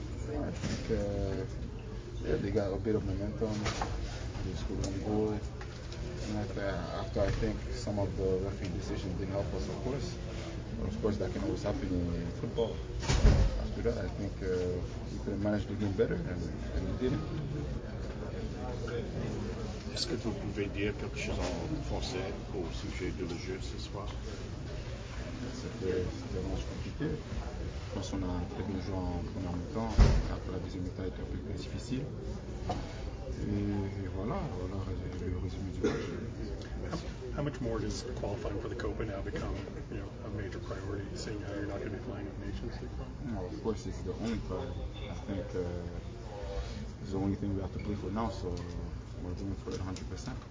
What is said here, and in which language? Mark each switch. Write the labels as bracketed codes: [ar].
[en] I think they got a bit of momentum. They scored on the goal. And after I think some of the refereeing decisions didn't help us, of course. But of course, that can always happen in football. After that, I think we could have managed the game better, and we didn't. [fr] Est-ce que vous pouvez dire quelque chose en français au sujet du jeu ce soir? C'était un match compliqué. Je pense qu'on a très bien joué en première mi-temps. Après la deuxième mi-temps, était un peu plus difficile. Et voilà le résumé du match. [en] How much more does qualifying for the Copa now become, you know, a major priority, seeing how you're not going to be playing in Nations League? Well, of course, it's the only priority. I think it's the only thing we have to play for now, so we're doing for it 100%.